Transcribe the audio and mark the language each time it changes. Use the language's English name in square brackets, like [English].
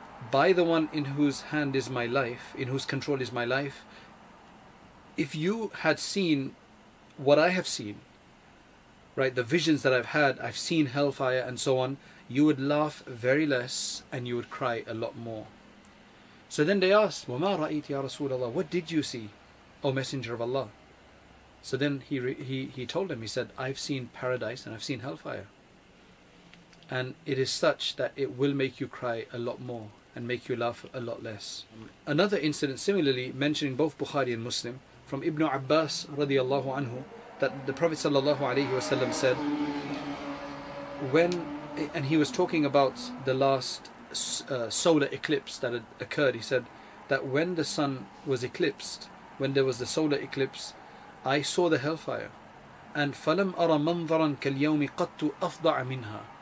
[English] By the one in whose hand is my life, in whose control is my life, if you had seen what I have seen, right, the visions that I've had, I've seen hellfire and so on, you would laugh very less and you would cry a lot more. So then they asked, [Arabic] وَمَا رَأَيْتِ يَا رَسُولَ اللَّهِ. [English] What did you see, O Messenger of Allah? So then he told him, he said, I've seen paradise and I've seen hellfire. And it is such that it will make you cry a lot more and make you laugh a lot less. Another incident similarly mentioning both Bukhari and Muslim, from Ibn Abbas radiallahu anhu, that the Prophet sallallahu alayhi wasallam said, when, and he was talking about the last solar eclipse that had occurred, he said that when the sun was eclipsed, when there was the solar eclipse, I saw the hellfire, and [Arabic] falam ara manzaran kal yawmi qattu afda'a minha.